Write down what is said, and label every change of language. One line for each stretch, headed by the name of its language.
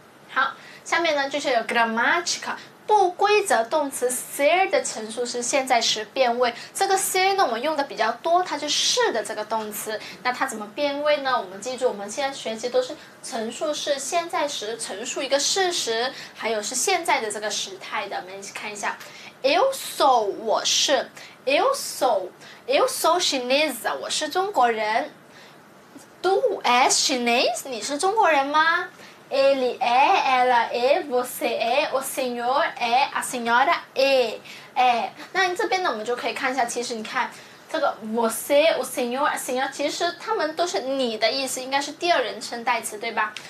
Chinese: 好，下面呢就是有 grammatical 不规则动词 ser 的陈述是现在时变位，这个 ser 呢我们用的比较多，它就是的这个动词，那它怎么变位呢？我们记住我们现在学习都是陈述是现在时，陈述一个事实，还有是现在的这个时态的，我们一起看一下。
Portuguese: Eu sou，
Chinese: 我是。
Portuguese: Eu sou chinesa，
Chinese: 我是中国人。
Portuguese: Tu és chinês，
Chinese: 你是中国人吗 ？
Portuguese: Ele é， ela é， você é， o senhor é， a senhora é，
Chinese: 那这边呢，我们就可以看一下，其实你看这个 você， o senhor， a senhora， 其实他们都是你的意思，应该是第二人称代词，对吧？